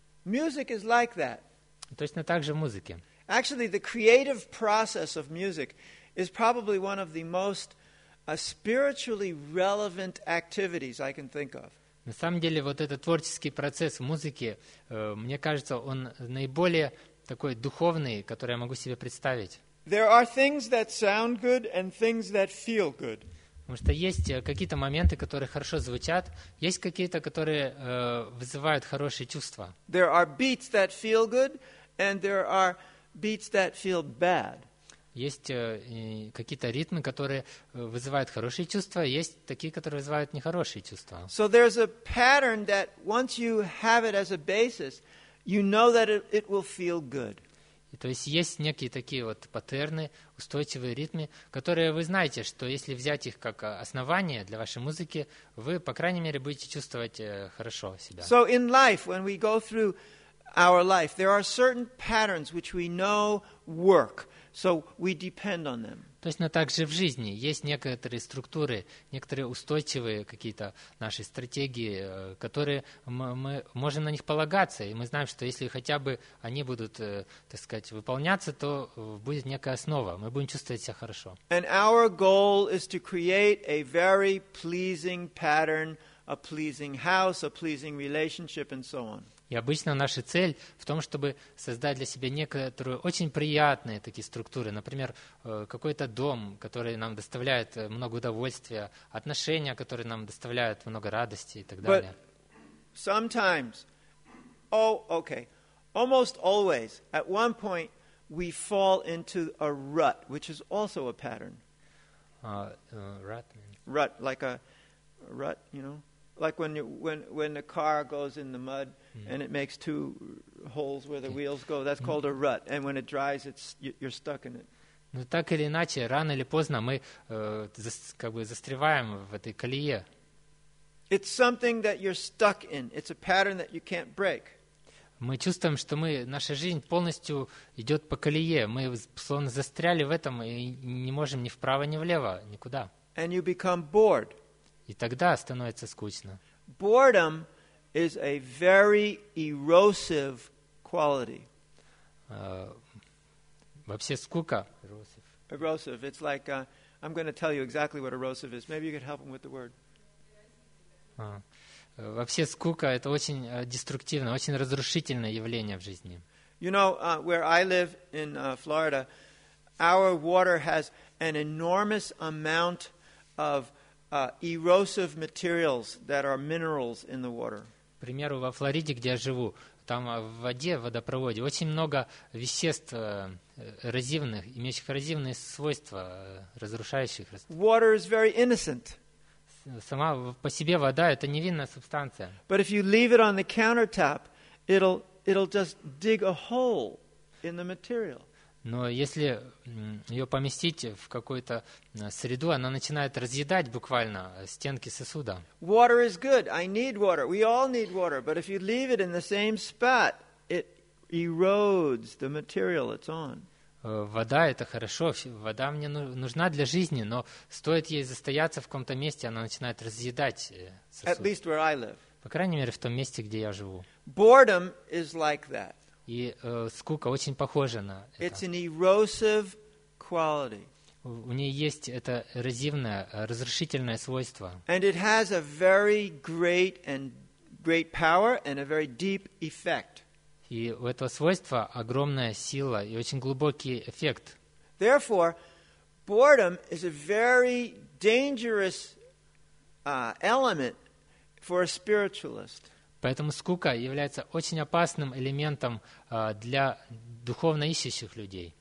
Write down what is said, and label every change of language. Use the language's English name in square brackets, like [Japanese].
[English] Music is like that. [Russian] Точно так же в музыке. [English] Actually, the creative process of music is probably one of the most spiritually relevant activities I can think of. [Russian] На самом деле, вот этот творческий процесс в музыке, мне кажется, он наиболее такой духовный, который я могу себе представить. [English] There are things that sound good and things that feel good. [Russian] Потому что есть какие-то моменты, которые хорошо звучат, есть какие-то, которые вызывают хорошие чувства. [English] There are beats that feel good and there are beats that feel bad. [Russian] Есть какие-то ритмы, которые вызывают хорошие чувства, есть такие, которые вызывают нехорошие чувства. [English] So there's a pattern that once you have it as a basis, you know that it will feel good. [Russian] И То есть есть некие такие вот паттерны, устойчивые ритмы, которые вы знаете, что если взять их как основание для вашей музыки, вы, по крайней мере, будете чувствовать хорошо себя. [English] So in life, when we go through our life, there are certain patterns which we know work, so we depend on them. [Russian] Точно так же в жизни есть некоторые структуры, некоторые устойчивые какие-то наши стратегии, которые мы можем на них полагаться, и мы знаем, что если хотя бы они будут, так сказать, выполняться, то будет некая основа, мы будем чувствовать себя хорошо. [English] And our goal is to create a very pleasing pattern, a pleasing house, a pleasing relationship, and so on. [Russian] И обычно наша цель в том, чтобы создать для себя некоторые очень приятные такие структуры. Например, какой-то дом, который нам доставляет много удовольствия, отношения, которые нам доставляют много радости и так далее. [English] But sometimes, almost always, at one point we fall into a rut, which is also a pattern. Rut. Rut, like a rut, you know? Like when a car goes in the mud and it makes two holes where the wheels go, that's called a rut. And when it dries, you're stuck in it. [Russian] Ну так или иначе, рано или поздно мы как бы застреваем в этой колее. [English] It's something that you're stuck in. It's a pattern that you can't break. [Russian] Мы чувствуем, что наша жизнь полностью идет по колее. Мы словно застряли в этом и не можем ни вправо, ни влево, никуда. [English] And you become bored. [Russian] И тогда становится скучно. [English] Boredom is a very erosive quality. [Russian] Вообще скука. [English] Erosive. It's like I'm going to tell you exactly what erosive is. Maybe you could help him with the word. [Russian] Вообще скука это очень деструктивное, очень разрушительное явление в жизни. [English] You know where I live in Florida, our water has an enormous amount of erosive materials that are minerals in the water. [Russian] К примеру, во Флориде, где я живу, там в воде, в водопроводе, очень много веществ эрозивных, имеющих эрозивные свойства, разрушающих. [English] Water is very innocent. [Russian] Сама по себе вода – это невинная субстанция. [English] But if you leave it on the countertop, it'll just dig a hole in the material. [Russian] Но если ее поместить в какую-то среду, она начинает разъедать буквально стенки сосуда. [English] Water is good. I need water. We all need water. But if you leave it in the same spot, it erodes the material it's on. [Russian] Вода – это хорошо. Вода мне нужна для жизни, но стоит ей застояться в каком-то месте, она начинает разъедать сосуд. [English] At least where I live. [Russian] По крайней мере, в том месте, где я живу. [English] Boredom is like that. [Russian] И скука очень похожа на это. [English] It's an erosive quality. [Russian] У нее есть это эрозивное, разрушительное свойство. [English] And it has a very great and great power and a very deep effect. [Russian] И у этого свойства огромная сила и очень глубокий эффект. [English] Therefore, boredom is a very dangerous element for a spiritualist. [Russian] Поэтому скука является очень опасным элементом для духовно ищущих людей.